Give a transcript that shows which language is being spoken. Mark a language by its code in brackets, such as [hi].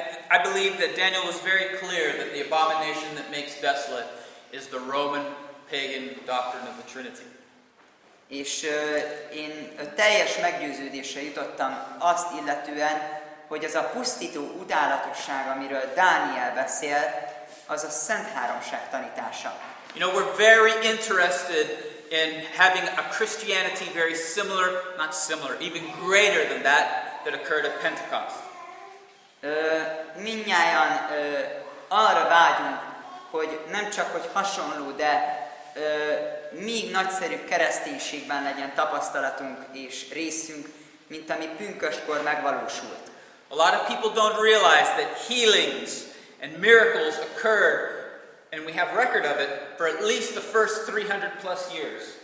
[en] I believe that Daniel was very clear that the abomination that makes desolate is the Roman pagan doctrine of the Trinity. [hu] És én teljes meggyőződésre jutottam azt illetően, hogy az a pusztító utálatosság, amiről Dániel beszél, az a Szent Háromság tanítása. [en] You know, we're very interested in having a Christianity very similar, not similar, even greater than that that occurred at Pentecost. [hu] Mindnyájan arra vágyunk, hogy nem csak hogy hasonló, de még nagyszerűbb kereszténységben legyen tapasztalatunk és részünk, mint ami pünköstkor megvalósult. [en] A lot of people don't realize that healings and miracles occurred, and we have record of it, for at least the first 300 plus years.